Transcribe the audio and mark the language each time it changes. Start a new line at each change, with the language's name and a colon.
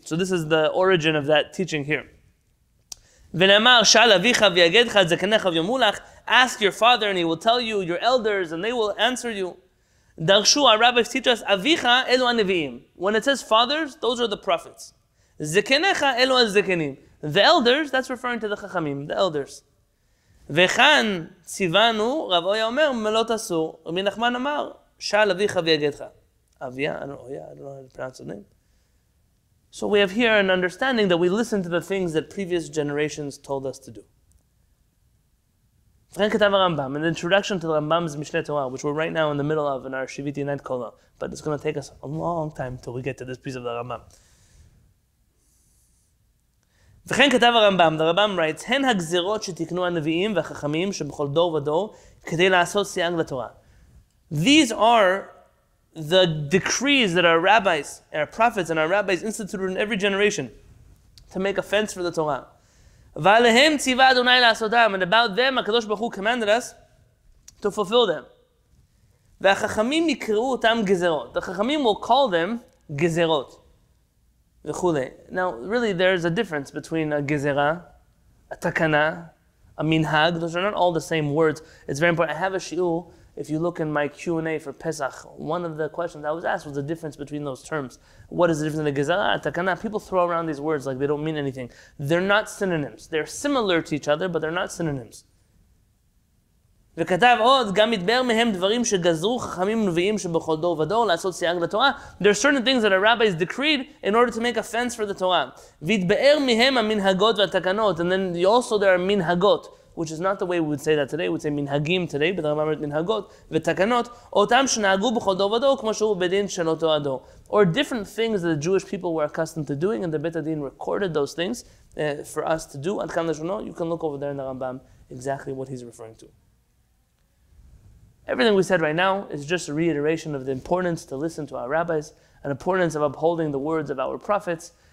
English: So this is the origin of that teaching here. Ask your father and he will tell you, your elders, and they will answer you. Darshu, our rabbis teach us,
Hebrew: Avicha elu anevi'im.
English: When it says fathers, those are the prophets.
Hebrew: Zekenecha elu azekenim.
English: The elders, that's referring to the chachamim, the elders.
Hebrew: וכאן ציוונו, רב אויה אומר, מלא תעשו, רבי נחמן אמר, שאל אביך ויגדך.
English: אביה, אויה, I don't know how to pronounce the name. So we have here an understanding that we listen to the things that previous generations told us to do.
Hebrew: וכן כתב הרמב״ם,
English: an introduction to the Rambam's Mishnei Torah, which we're right now in the middle of in our Shiviti night kolah, but it's going to take us a long time till we get to this piece of the Rambam.
Hebrew: וכן כתב הרמב״ם,
English: the Rambam writes,
Hebrew: הן הגזירות שתקנו הנביאים והחכמים שבכל דור ודור כדי לעשות סייג לתורה.
English: These are the decrees that our rabbis, our prophets and our rabbis instituted in every generation to make a fence for the Torah.
Hebrew: ועליהם ציווה אדוני לעשותם,
English: and about them הקדוש ברוך הוא commanded us to fulfill them.
Hebrew: והחכמים יקראו אותם גזירות.
English: The חכמים will call them גזירות. Now, really, there is a difference between a gezera, a takana, a minhag. Those are not all the same words. It's very important. I have a shi'ul. If you look in my Q&A for Pesach, one of the questions I was asked was the difference between those terms. What is the difference between a gezera, a takana? People throw around these words like they don't mean anything. They're not synonyms. They're similar to each other, but they're not synonyms.
Hebrew: וכתב עוד, גם מדבר מהם דברים שגזרו חכמים ונביאים שבכל דור ודור לעשות סייג לתורה.
English: There are certain things that a rabbi has decreed in order to make a fence for the Torah.
Hebrew: והתבאר מהם המנהגות והתקנות.
English: And then also there are מנהגות, which is not the way we would say that today. We would say מנהגים today, but the Rambam says מנהגות ותקנות.
Hebrew: אותם שנהגו בכל דור ודור כמו שהוא בדין של אותו הדור.
English: Or different things that the Jewish people were accustomed to doing, and the Bet Adin recorded those things for us to do.
Hebrew: עד כאן לשונו,
English: you can look over there in the Rambam exactly what he's referring to. Everything we said right now is just a reiteration of the importance to listen to our rabbis, an importance of upholding the words of our prophets.